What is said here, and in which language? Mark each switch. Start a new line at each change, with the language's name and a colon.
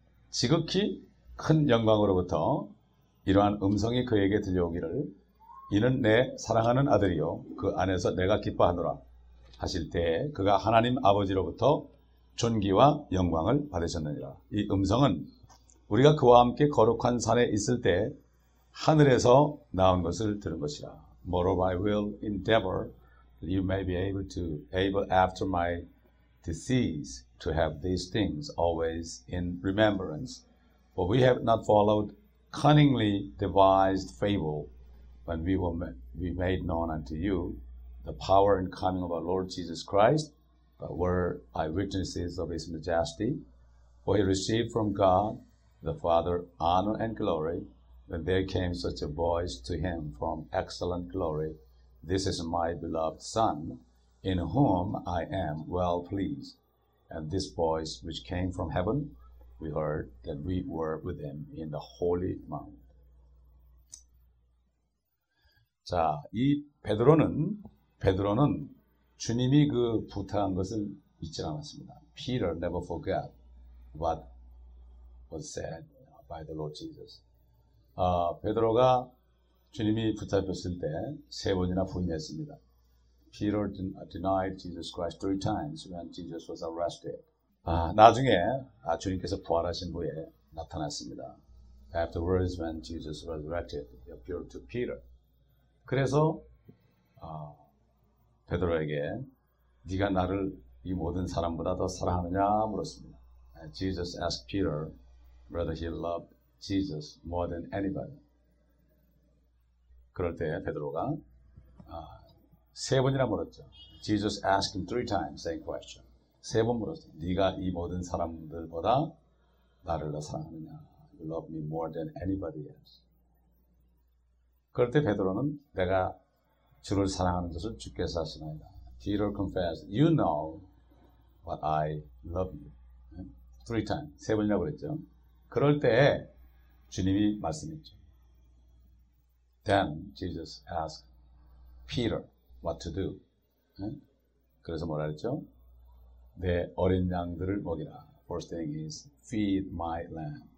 Korean: 지극히 큰 영광으로부터 이러한 음성이 그에게 들려오기를 이는 내 사랑하는 아들이요 그 안에서 내가 기뻐하노라 하실 때 그가 하나님 아버지로부터 존귀와 영광을 받으셨느니라. 이 음성은 우리가 그와 함께 거룩한 산에 있을 때 하늘에서 나온 것을 들은 것이라.
English: Moreover, I will endeavor that you may be able after my decease to have these things always in remembrance. For we have not followed cunningly devised fable when we made known unto you the power and coming of our Lord Jesus Christ, but were eyewitnesses of his majesty. For he received from God the Father honor and glory when there came such a voice to him from excellent glory. This is my beloved Son, in whom I am well pleased. And this voice which came from heaven, we heard that we were with him in the holy mount.
Korean: 자, 이 베드로는 주님이 그 부탁한 것을 잊지 않았습니다.
English: Peter never forgot what was said by the Lord Jesus.
Korean: 베드로가 주님이 붙잡혔을 때 세 번이나 부인했습니다.
English: Peter denied Jesus Christ three times when Jesus was arrested.
Korean: 나중에 주님께서 부활하신 후에 나타났습니다.
English: Afterwards, when Jesus was resurrected, he appeared to Peter.
Korean: 그래서 베드로에게 네가 나를 이 모든 사람보다 더 사랑하느냐 물었습니다.
English: Jesus asked Peter whether he loved Jesus more than anybody.
Korean: 그럴 때 베드로가 세 번이나 물었죠.
English: Jesus asked him three times same question.
Korean: 세 번 물었어. 네가 이 모든 사람들보다 나를 더 사랑하느냐.
English: You love me more than anybody else.
Korean: 그럴 때 베드로는 내가 주를 사랑하는 것을 주께서 하시나이다.
English: Peter confessed, you know what I love you. Three times.
Korean: 세 번이라고 그랬죠. 그럴 때 주님이 말씀했죠.
English: Then Jesus asked Peter what to do.
Korean: 그래서 뭐라 그랬죠? 내 어린 양들을 먹이라.
English: First thing is feed my lamb.